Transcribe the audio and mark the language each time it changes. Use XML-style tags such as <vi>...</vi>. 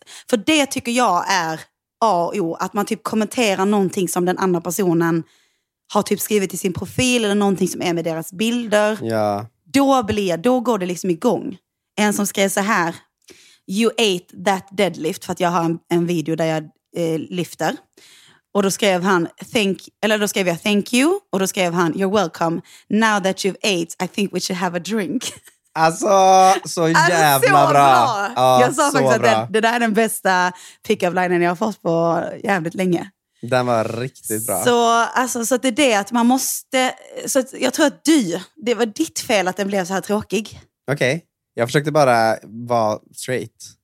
<sv>För det tycker jag är A och O, att man typ kommenterar någonting som den andra personen har typ skrivit i sin profil eller någonting som är med deras bilder. Ja. Då går det liksom igång. En som skrev så här:</sv> <en>"you ate that deadlift",</en> <sv>för att jag har en video där jag lyfter. Och då skrev han</sv> <en>thank you,</en> <sv>och då skrev han</sv> <en>"you're welcome. Now that you've ate, I think we should have a drink."</en> <sv>Alltså, så jävla så bra. Ja, jag sa faktiskt att det där är den bästa pick-up-linen jag har fått på jävligt länge. Den var riktigt bra. Så, alltså, så att det är det att man måste... Så att jag tror att det var ditt fel att den blev så här tråkig. Okej, okay. Jag försökte bara vara straight.</sv>